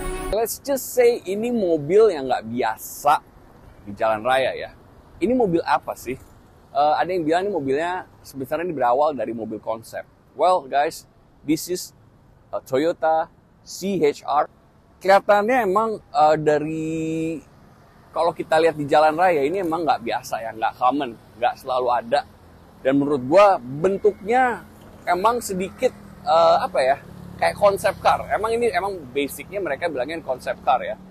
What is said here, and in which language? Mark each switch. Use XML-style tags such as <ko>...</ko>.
<en>Let's just say</en> <id>ini mobil yang nggak biasa di jalan raya ya. Ini mobil apa sih? Ada yang bilang ini mobilnya sebenarnya ini berawal dari mobil konsep.</id> <en>Well guys, this is a Toyota CHR.</en> <id>Kelihatannya emang dari kalau kita lihat di jalan raya ini emang nggak biasa ya, nggak common, nggak selalu ada. Dan menurut gua bentuknya emang sedikit kayak konsep car. Emang ini emang basicnya mereka bilangnya konsep car ya.</id>